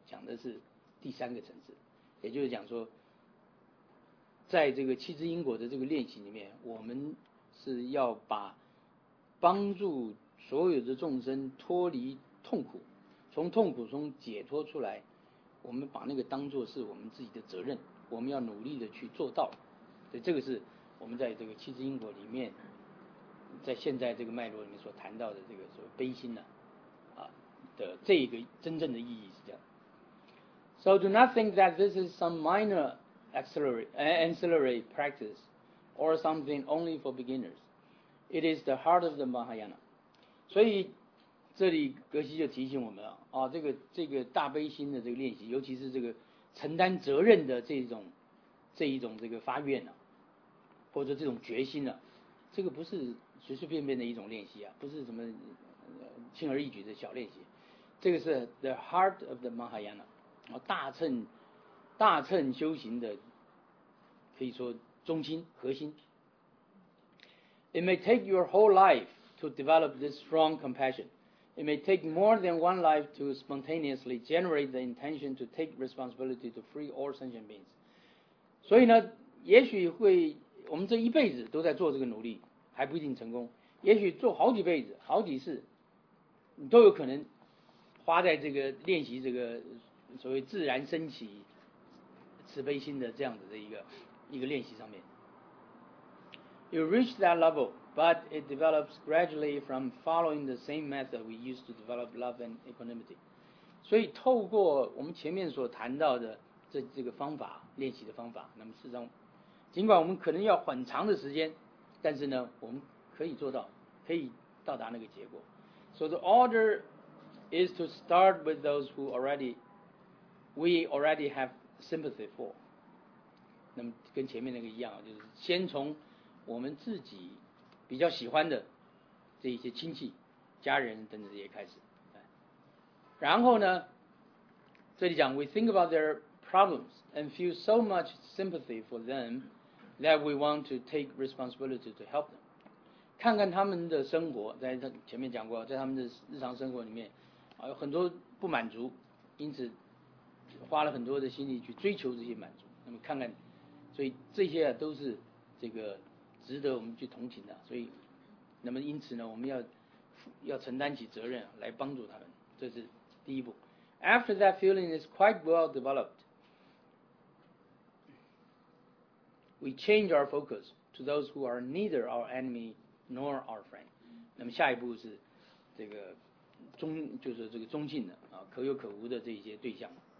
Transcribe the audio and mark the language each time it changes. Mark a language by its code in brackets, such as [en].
[zh] 讲的是第三个层次，也就是讲说在这个七支因果的这个练习里面，我们是要把帮助所有的众生脱离痛苦，从痛苦中解脱出来，我们把那个当作是我们自己的责任，我们要努力的去做到。所以这个是我们在这个七支因果里面，在现在这个脉络里面所谈到的这个所谓悲心呢、的这一个真正的意义是这样。 [en] So do not think that this is some minor ancillary practice or something only for beginners. It is the heart of the Mahayana. [zh] 所以这里格西就提醒我们了，这个大悲心的这个练习，尤其是这个承担责任的这一种这个发愿啊，或者这种决心啊，这个不是随随便便的一种练习啊，不是什么轻而易举的小练习，这个是 [en] the heart of the Mahayana， [zh] 大乘修行的可以说中心核心。 [en] It may take your whole life to develop this strong compassion. It may take more than one life to spontaneously generate the intention to take responsibility to free all sentient beings. [zh] 所以呢，也许会我们这一辈子都在做这个努力，还不一定成功。也许做好几辈子、好几次，你都有可能花在这个练习这个所谓自然升起慈悲心的这样子的一个练习上面。 [en] You reach that level, but it develops gradually from following the same method we used to develop love and equanimity. [zh] 所以透过我们前面所谈到的这个方法，练习的方法，那么事实上，尽管我们可能要很长的时间，但是呢，我们可以做到，可以到达那个结果。 [en] So the order is to start with those who we already have sympathy for. [zh] 那么跟前面那个一样，就是先从我们自己比较喜欢的这一些亲戚家人等等这些开始，然后呢这里讲 [en] we think about their problems and feel so much sympathy for them that we want to take responsibility to help them， [zh] 看看他们的生活，在前面讲过，在他们的日常生活里面有很多不满足，因此花了很多的心力去追求这些满足，那么看看，所以这些都是这个值得我们去同情的，所以，那么因此呢，我们要承担起责任来帮助他们，这是第一步。 [en] After that feeling is quite well developed, we change our focus to those who are neither our enemy nor our friend. [zh] 那么下一步是这个中性的啊，可有可无的这些对象。